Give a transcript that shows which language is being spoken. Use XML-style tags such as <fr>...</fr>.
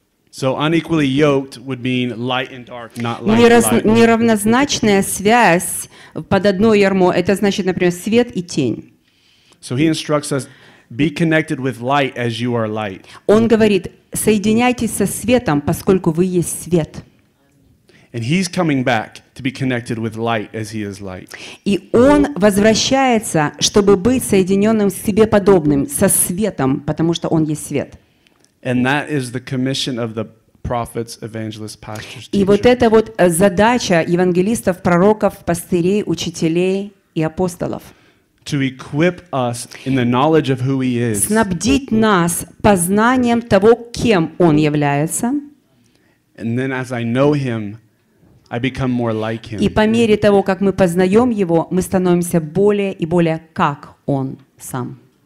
<en>So unequally yoked would mean light and dark, not light.</en> <ru>Неравнозначная связь под одно ярмо — это значит, например, свет и тень.</ru> <en>So he instructs us, be connected with light as you are light.</en> <ru>Он говорит: соединяйтесь со светом, поскольку вы есть свет.</ru> <en>And he's coming back to be connected with light as he is light.</en> <ru>И он возвращается, чтобы быть соединенным с себе подобным, со светом, потому что он есть свет.</ru> <en>And that is the commission of the prophets, evangelists, pastors, teachers.</en> <ru>И вот это вот задача евангелистов, пророков, пастырей, учителей и апостолов.</ru> <en>To equip us in the knowledge of who he is.</en> <ru>Снабдить нас познанием того, кем он является.</ru> <en>And then as I know him, I become more like him.</en> <ru>И по мере того, как мы познаем его, мы становимся более и более как он сам.</ru>